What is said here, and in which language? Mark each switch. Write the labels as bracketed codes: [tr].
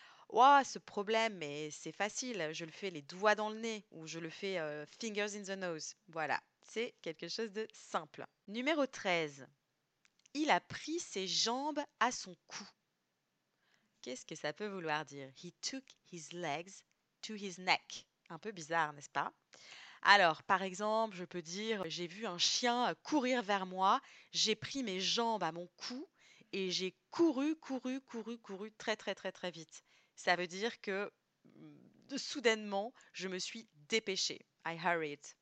[fr] Waouh, ce problème, mais c'est facile. Je le fais les doigts dans le nez ou je le fais [en] fingers in the nose. [fr] Voilà, c'est quelque chose de simple. Numéro 13. Il a pris ses jambes à son cou. Qu'est-ce que ça peut vouloir dire? [en] He took his legs to his neck. [fr] Un peu bizarre, n'est-ce pas? Alors, par exemple, je peux dire, j'ai vu un chien courir vers moi. J'ai pris mes jambes à mon cou. Et j'ai couru, couru, couru, couru très, très, très, très vite. Ça veut dire que soudainement, je me suis dépêchée. [en] I hurried.